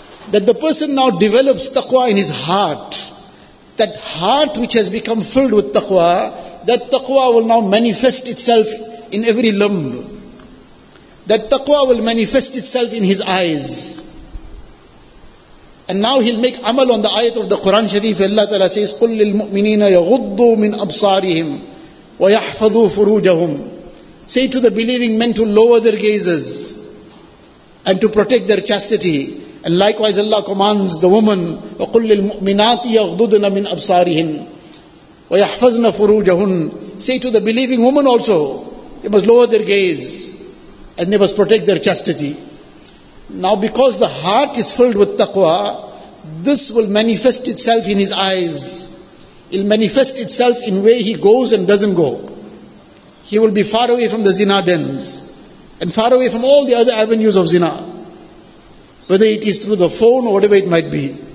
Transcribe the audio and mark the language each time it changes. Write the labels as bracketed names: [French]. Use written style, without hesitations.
[English] That the person now develops taqwa in his heart. That heart which has become filled with taqwa, that taqwa will now manifest itself in every limb. That taqwa will manifest itself in his eyes. And now he'll make amal on the ayat of the Quran Sharif. Allah Ta'ala says, [Arabic] قُلْ لِلْمُؤْمِنِينَ يَغُضُّوا مِنْ أَبْصَارِهِمْ وَيَحْفَظُوا فُرُوجَهُمْ. [English] Say to the believing men to lower their gazes and to protect their chastity. And likewise Allah commands the woman, [Arabic] وَقُلْ لِلْمُؤْمِنَاتِ يَغْضُضْنَ مِنْ أَبْصَارِهِنْ وَيَحْفَظْنَ فُرُوجَهُنْ. [English] Say to the believing woman also, they must lower their gaze and they must protect their chastity. Now because the heart is filled with taqwa, this will manifest itself in his eyes. It'll manifest itself in where he goes and doesn't go. He will be far away from the zina dens and far away from all the other avenues of zina, whether it is through the phone or whatever it might be.